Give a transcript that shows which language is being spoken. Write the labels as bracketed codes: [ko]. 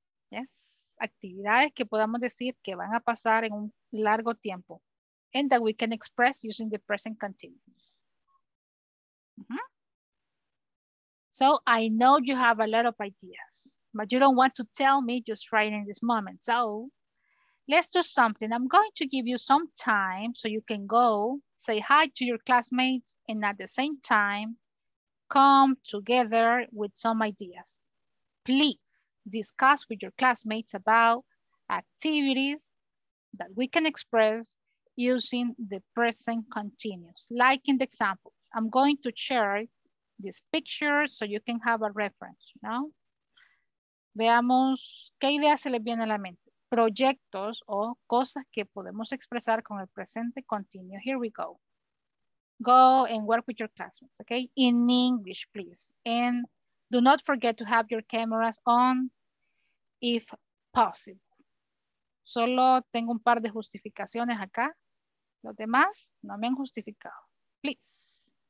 [es] Yes, actividades que podamos decir que van a pasar en un largo tiempo. [en] And that we can express using the present continuous. Mm-hmm. So I know you have a lot of ideas, but you don't want to tell me just right in this moment. So let's do something. I'm going to give you some time so you can go say hi to your classmates and at the same time come together with some ideas. Please. Discuss with your classmates about activities that we can express using the present continuous. Like in the example, I'm going to share this picture so you can have a reference, you know? [es] Veamos qué ideas se les viene a la mente. Proyectos o cosas que podemos expresar con el presente continuo. [en] Here we go. Go and work with your classmates, okay? In English, please. And Do not forget to have your cameras on if possible. [es] Solo tengo un par de justificaciones acá. Los demás no me han justificado. Please.